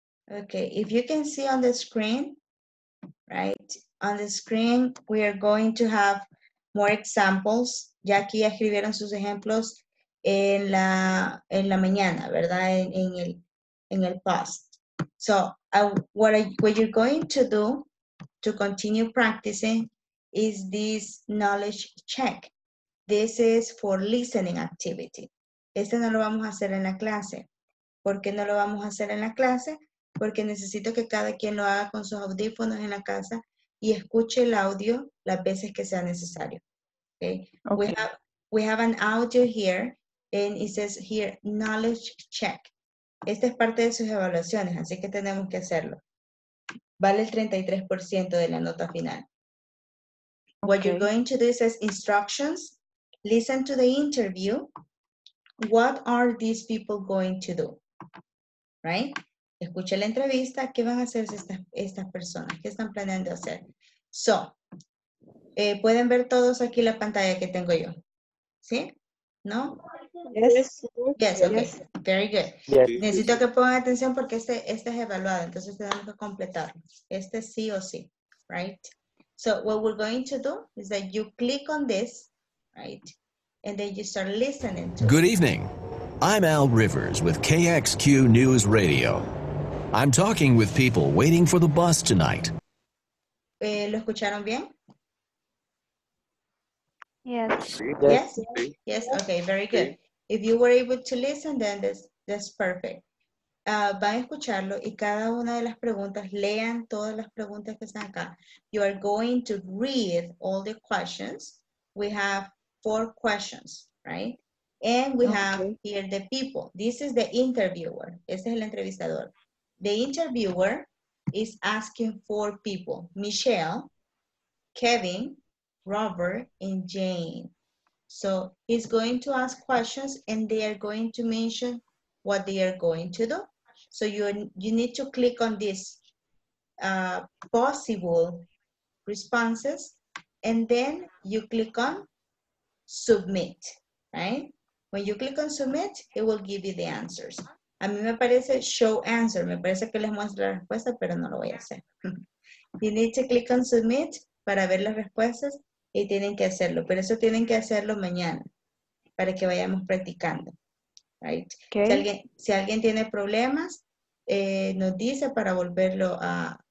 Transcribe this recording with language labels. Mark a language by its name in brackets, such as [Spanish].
[English] Okay, if you can see on the screen, right? On the screen, we are going to have more examples. [Spanish] Ya aquí escribieron sus ejemplos en la mañana, ¿verdad? En el past. [English] So, what you're going to do to continue practicing is this knowledge check. This is for listening activity. [Spanish] Este no lo vamos a hacer en la clase. ¿Por qué no lo vamos a hacer en la clase? Porque necesito que cada quien lo haga con sus audífonos en la casa y escuche el audio las veces que sea necesario. Okay. [English] We have an audio here and it says here, knowledge check. [Spanish] Esta es parte de sus evaluaciones, así que tenemos que hacerlo. Vale el 33% de la nota final. Okay. [English] What you're going to do is instructions. Listen to the interview. What are these people going to do? Right? [Spanish] Escucha la entrevista. ¿Qué van a hacer estas personas? ¿Qué están planeando hacer? So, pueden ver todos aquí la pantalla que tengo yo. ¿Sí? ¿No? [English] Yes, okay. Yes. Very good. Yes. [Spanish] Necesito que pongan atención porque este es evaluado. Entonces tenemos que completar. Este sí o sí. Right? [English] So, what we're going to do is that you click on this. Right? And then you start listening. Good evening. I'm Al Rivers with KXQ News Radio. I'm talking with people waiting for the bus tonight. [Spanish] ¿Lo escucharon bien? [English] Yes. Okay, very good. If you were able to listen, then that's perfect. [Spanish] Van a escucharlo y cada una de las preguntas, lean todas las preguntas que están acá. [English] You are going to read all the questions. We have 4 questions, right? And we have here the people. This is the interviewer. [Spanish] Este es el entrevistador. [English] The interviewer is asking 4 people. Michelle, Kevin, Robert, and Jane. So he's going to ask questions and they are going to mention what they are going to do. So you need to click on this possible responses and then you click on submit, right? When you click on submit, it will give you the answers. [Spanish] A mí me parece [English] show answer. [Spanish] Me parece que les muestra la respuesta, pero no lo voy a hacer. [English] You need to click on submit [Spanish] para ver las respuestas y tienen que hacerlo. Pero eso tienen que hacerlo mañana para que vayamos practicando. Right? Okay. Si alguien tiene problemas, nos dice para volverlo a...